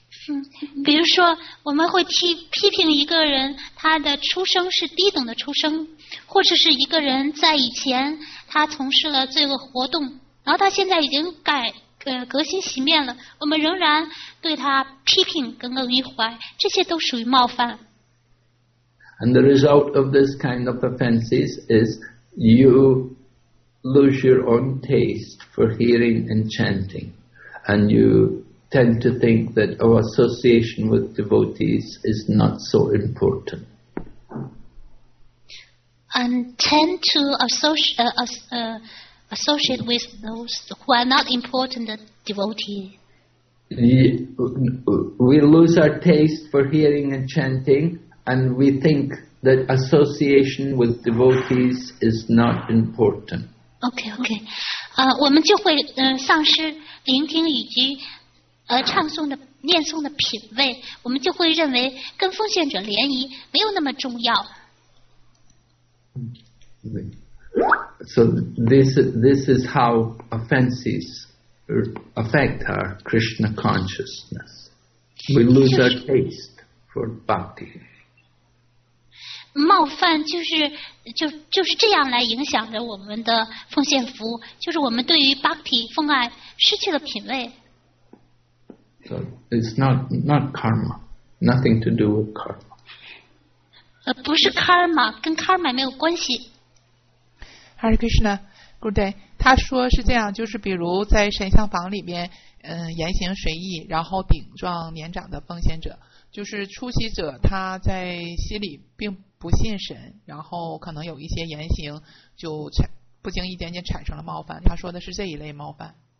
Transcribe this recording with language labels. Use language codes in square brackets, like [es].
[zh] 嗯，比如说我们会批评一个人，他的出生是低等的出生，或者是一个人在以前他从事了罪恶活动，然后他现在已经革新洗面了，我们仍然对他批评耿耿于怀，这些都属于冒犯。 [en] And the result of this kind of offenses is you lose your own taste for hearing and chanting, and you tend to think that our association with devotees is not so important. And tend to associate with those who are not important devotees. We lose our taste for hearing and chanting, and we think that association with devotees is not important. Okay, okay. [zh] 我们就会丧失聆听以及唱诵的念诵的品味，我们就会认为跟奉献者联谊没有那么重要。 [en] So this is how offenses affect our Krishna consciousness. We lose our taste for bhakti. [zh] 冒犯就是这样来影响着我们的奉献服务，就是我们对于 bhakti 奉爱失去了品味。 [en] So it's not karma, nothing to do with karma. [zh] 不是 karma， 跟 karma 没有关系。 Hare Krishna, Guru Dev， 他说是这样，就是比如在神像房里边，言行随意，然后顶撞年长的奉献者，就是出席者他在心里并不信神，然后可能有一些言行就不经意间就产生了冒犯，他说的是这一类冒犯。